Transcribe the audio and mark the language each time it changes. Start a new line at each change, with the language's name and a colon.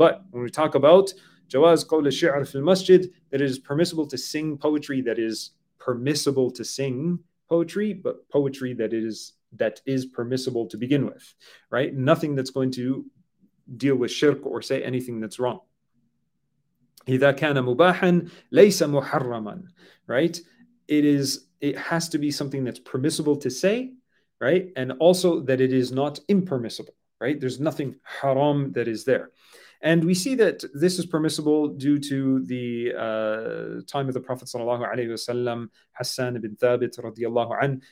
English: But when we talk about jawaz qawl al-shi'r fil masjid, that it is permissible to sing poetry, that is permissible to sing poetry, but poetry that is permissible to begin with, right? Nothing that's going to deal with shirk or say anything that's wrong.
Arabic: إذا كان مباحاً ليس محرماً, right?
English: It has to be something that's permissible to say, right? And also that it is not impermissible, right? There's nothing haram that is there. And we see that this is permissible due to the time of the Prophet sallallahu alaihi wasallam, Hassan ibn Thabit radiyallahu an.